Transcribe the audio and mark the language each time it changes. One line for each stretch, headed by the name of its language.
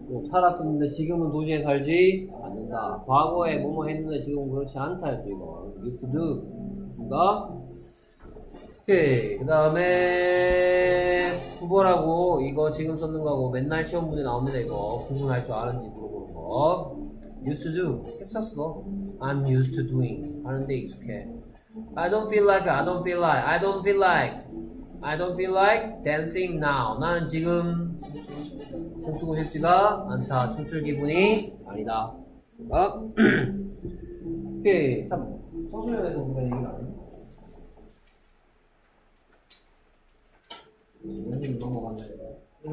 Korean: 살았었는데 지금은 도시에 살지 않는다. 과거에 뭐뭐 했는데 지금은 그렇지 않다였죠. 이거
English: used to do.
Korean: 맞습니다. 오케이. 그 다음에 9번하고 이거 지금 썼는 거하고 맨날 시험 문제 나옵니다. 이거 구분할 줄 아는지 물어보는 거.
English: Used to do
Korean: 했었어.
English: I'm used to doing
Korean: 하는데 익숙해.
English: I don't feel like, I don't feel like, I don't feel like, I don't feel like dancing now.
Korean: 나는 지금 춤추고 싶지가 않다. 춤출 기분이 아니다. 됐습니까? 오케이. 참, 청소년에서 우리가 얘기를 안 했네.